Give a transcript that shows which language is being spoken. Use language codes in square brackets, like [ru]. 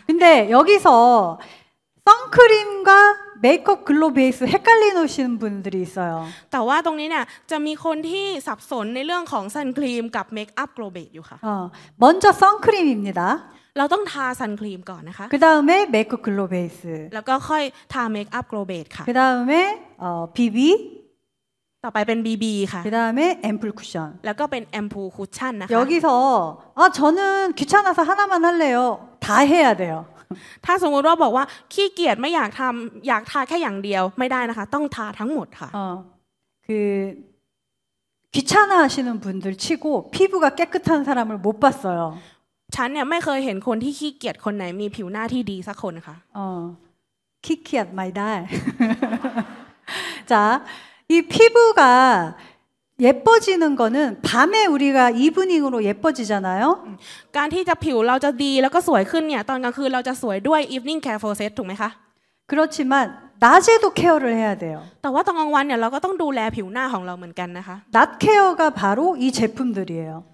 [ko] 근데 여기서 선크림과 메이크업 글로 베이스 헷갈려 놓으시는 분들이 있어요. 但话 [th] ตรงนี้เนี่ยจะมีคนที่สับสนในเรื่องของซันครีมกับเมคอัพโกลเบทอยู่ค่ะ [ko] 먼저 선크림입니다. [th] เราต้องทาซันครีมก่อนนะคะ [ko] 그다음에 메이크업 글로 베이스. [th] แล้วก็ค่อยทาเมคอัพโกลเบทค่ะ [ko] 그다음에 비비. [th] ต่อไปเป็น BB ค่ะ [ko] 그다음에 앰플 쿠션. [th] แล้วก็เป็นแอมพูลคุชชั่นนะคะ [ko] 여기서 저는 귀찮아서 하나만 할래요. 다 해야 돼요. [th] ถ้าสมมติว่าบอกว่าขี้เกียจไม่อยากทำอยากทาแค่อย่างเดียวไม่ได้นะคะต้องทาทั้งหมดค่ะ [ko] 그 귀찮아 하시는 분들 치고 피부가 깨끗한 사람을 못 봤어요. [th] ฉันเนี่ยไม่เคยเห็นคนที่ขี้เกียจคนไหนมีผิวหน้าที่ดีสักคนค่ะ [ko] 키키엣 마이 달. 자, 이 피부가 예뻐지는거는밤에우리가이브닝으로예뻐지잖아요 [th] การที่จะผิวเราจะดีแล้วก็สวยขึ้นเนี่ยตอนกลางคืนเราจะสวยด้วยอีฟนิ่งแคร์โฟร์เซตถูกไหมคะ [ko] 그렇지만낮에도케어를해야돼요 [th] แต่ว่าตอนกลางวันเนี่ยเราก็ต้องดูแลผิวหน้าของเราเหมือนกันนะคะ [ko] 낮케어가바로이제품들이에요